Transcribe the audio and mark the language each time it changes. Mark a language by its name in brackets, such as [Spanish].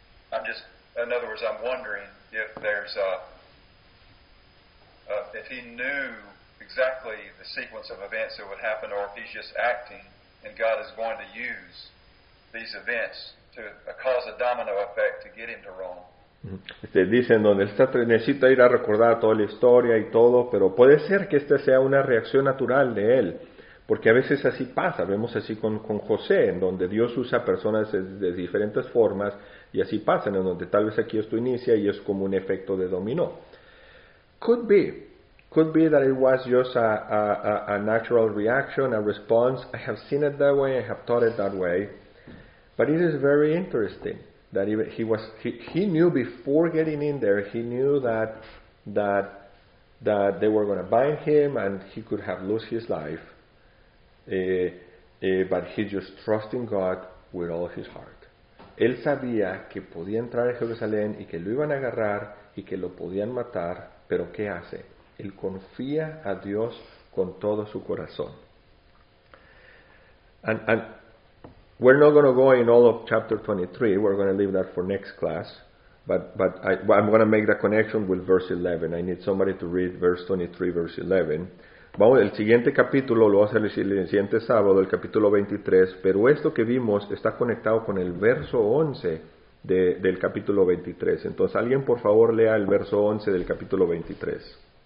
[English] In other words, I'm wondering if there's if he knew exactly the sequence of events that would happen, or if he's just acting and God is going to use these events to cause a domino effect to get him to Rome. [Spanish] Dicen donde está, necesita ir a recordar toda la historia y todo, pero puede ser que esta sea una reacción natural de él. Porque a veces así pasa, vemos así con José, en donde Dios usa personas de diferentes formas, y así pasa, en donde tal vez aquí esto inicia y es como un efecto de dominó. [English] Could be that it was just a natural reaction, a response. I have seen it that way, I have thought it that way. But it is very interesting that he knew before getting in there, he knew that they were going to bind him and he could have lost his life. But he just trusting God with all his heart. [Spanish] Él sabía que podía entrar a Jerusalén y que lo iban a agarrar y que lo podían matar, pero ¿qué hace? Él confía a Dios con todo su corazón. [English] And we're not going to go in all of chapter 23. We're going to leave that for next class. But I'm going to make the connection with verse 11. I need somebody to read verse 23, verse 11. [Spanish] Vamos, el siguiente capítulo lo vamos a hacer el siguiente sábado, el capítulo 23, pero esto que vimos está conectado con el verso 11 del capítulo 23. Entonces, alguien por favor lea el verso 11 del capítulo 23.